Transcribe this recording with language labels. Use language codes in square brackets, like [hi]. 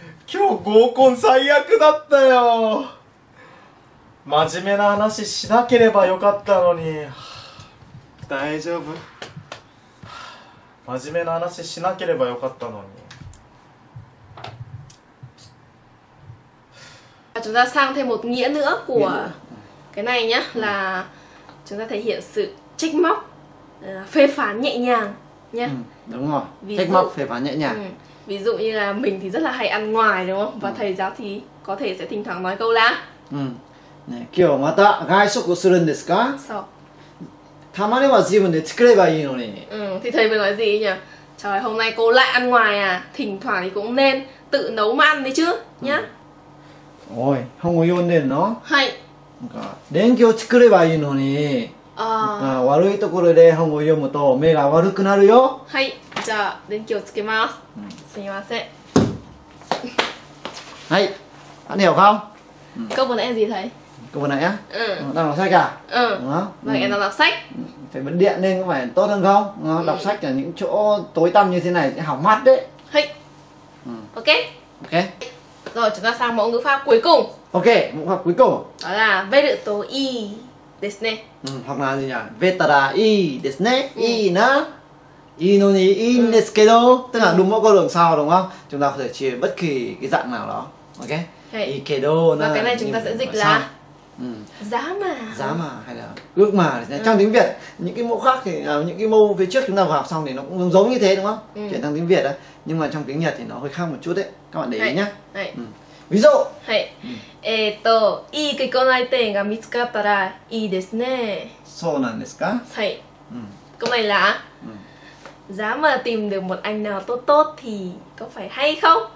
[ja] 今日合コン最悪だったよ。真面目な話しなければよかったのに。大丈夫。真面目な話しなければよかったのに。 [vi] chúng ta sang thêm một nghĩa nữa của cái này nhá, là chúng ta thể hiện sự trách móc, phê phán nhẹ nhàng nhá. Đúng rồi. Trách móc phê phán nhẹ nhàng. Ví dụ như là mình thì rất là hay ăn ngoài đúng không? Và thầy giáo thì có thể sẽ thỉnh thoảng nói câu là. [ja] ね、今日また外食するんですか？そう。たまには自分で作ればいいのに。 [vi] thì thầy vừa nói gì nhỉ? Trời, hôm nay cô lại ăn ngoài à? Thỉnh thoảng thì cũng nên tự nấu mà ăn đi chứ, nhá. Ôi, không có yêu nên nó. Hay. Đến kiểu [ja] 作ればいいのに。ああ。悪いところで本を読むと目が悪くなるよ。はい、じゃあ電気をつけます。すみません。はい。何を買う？ [vi] câu vừa nãy gì thầy？ câu vừa nãy á, đang đọc sách à? Đúng không? Vậy em đang đọc sách. Phải bật điện lên có phải tốt hơn không? Đọc sách ở những chỗ tối tăm như thế này sẽ hỏng mắt đấy. Hay. Ok. Ok. Rồi chúng ta sang mẫu ngữ pháp cuối cùng. Ok, mẫu ngữ pháp cuối cùng. Đó là veru [ja] といいですね。 [vi] Hoặc là gì nhỉ? Về [ja] たらいいですね。いいな。いいのにいいんですけど. [vi] Tức là đúng mẫu câu đằng sau đúng không? Chúng ta có thể chia bất kỳ cái dạng nào đó. Ok. Hey. [ja] いいけど. [vi] Và cái này chúng ta sẽ dịch là giá mà. Giá mà hay là ước mà. Trong tiếng Việt những cái mẫu khác thì những cái mẫu phía trước chúng ta vừa học xong thì nó cũng giống như thế đúng không? Chuyển sang tiếng Việt đấy. Nhưng mà trong tiếng Nhật thì nó hơi khác một chút đấy. Các bạn để ý nhé. Ví dụ. [ja] いい結婚相手が見つかったらいいですね。そうなんですか？はい。 [vi] Câu này là giá mà tìm được một anh nào tốt tốt thì có phải hay không?